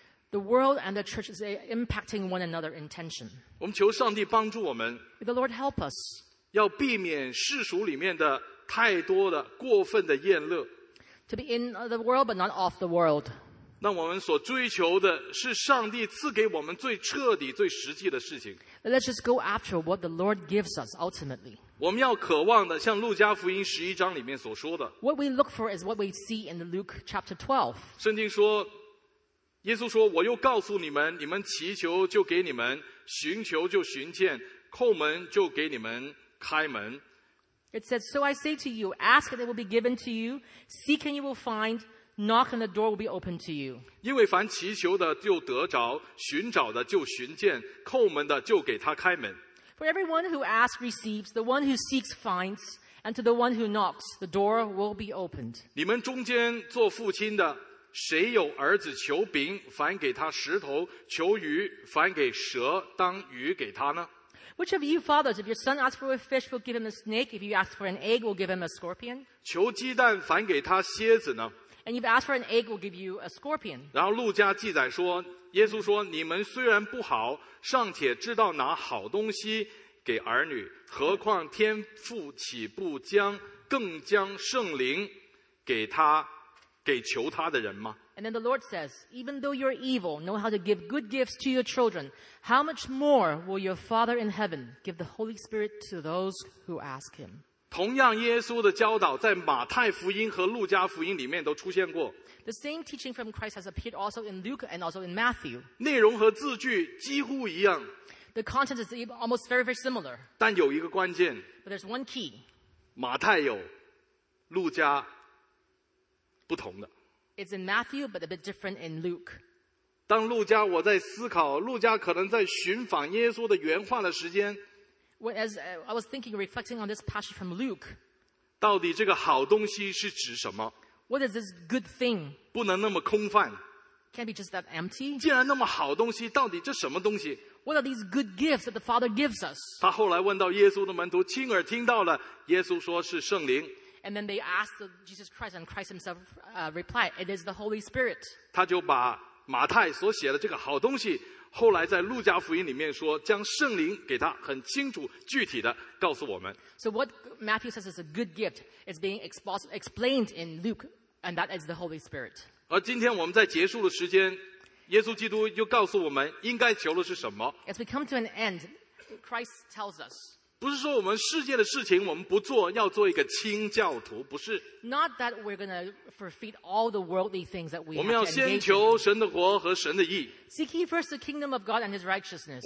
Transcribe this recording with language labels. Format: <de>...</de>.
<en>The world and the church is impacting one another in tension.</en> <zh>我们求上帝帮助我们。</zh> <en>May the Lord help us.</en> <zh>要避免世俗里面的太多的过分的宴乐。</zh> <en>To be in the world but not of the world.</en> <zh>那我们所追求的是上帝赐给我们最彻底、最实际的事情。</zh> <en>Let's just go after what the Lord gives us ultimately.</en> <zh>我们要渴望的，像路加福音十一章里面所说的。</zh> <en>What we look for is what we see in Luke chapter 12.</en> <zh>圣经说，耶稣说：“我又告诉你们，你们祈求就给你们，寻求就寻见，叩门就给你们。” 开门。</zh> <en>It says, "So I say to you, ask and it will be given to you; seek and you will find; knock and the door will be opened to you."</en> <zh>因为凡祈求的就得着，寻找的就寻见，叩门的就给他开门。</zh> <en>For everyone who asks receives; the one who seeks finds; and to the one who knocks, the door will be opened.</en> <zh>你们中间做父亲的，谁有儿子求饼，反给他石头；求鱼，反给蛇，当鱼给他呢？</zh> <en>Which of you fathers, if your son asks for a fish, will give him a snake? If you ask for an egg, will give him a scorpion?</en> <zh>求鸡蛋反给他蝎子呢</zh> <en>？And if you ask for an egg, will give you a scorpion?</en> <zh>然后路加记载说，耶稣说：“你们虽然不好，尚且知道拿好东西给儿女，何况天父岂不将更将圣灵给他，给求他的人吗？</zh> <en>And then the Lord says, even though you're evil, know how to give good gifts to your children, how much more will your Father in heaven give the Holy Spirit to those who ask him?</en> <zh>同样耶稣的教导在马太福音和路加福音里面都出现过。</zh> <en>The same teaching from Christ has appeared also in Luke and also in Matthew.</en> <zh>内容和字句几乎一样。</zh> <en>The content is almost very, very similar.</en> <zh>但有一个关键。</zh> <en>But there's one key.</en> <zh>马太有，路加不同的。</zh> <en>It's in Matthew, but a bit different in Luke.</en> <zh>当路加，我在思考，路加可能在寻访耶稣的原话的时间。</zh> <en>Whereas I was thinking, reflecting on this passage from Luke.</en> <zh>到底这个好东西是指什么？</zh> <en>What is this good thing?</en> <zh>不能那么空泛。</zh> <en>Can't be just that empty.</en> <zh>既然那么好东西，到底这什么东西？</zh> <en>What are these good gifts that the Father gives us?</en> <zh>他后来问到耶稣的门徒，亲耳听到了，耶稣说是圣灵。</zh> <en>And then they asked Jesus Christ, and Christ himself replied, "It is the Holy Spirit."</en> <zh>他就把马太所写的这个好东西，后来在路加福音里面说，将圣灵给他，很清楚、具体的告诉我们。</zh> <en>So what Matthew says is a good gift is being explained in Luke, and that is the Holy Spirit.</en> <zh>而今天我们在结束的时间，耶稣基督又告诉我们应该求的是什么。</zh> <en>As we come to an end, Christ tells us.</en> <zh>不是说我们世界的事情我们不做，要做一个清教徒，不是。</zh> <en>Not that we're going to forfeit all the worldly things that we have to engage in.</en> <zh>我们要先求神的国和神的义。</zh> <en>Seek ye first the kingdom of God and his righteousness.</en>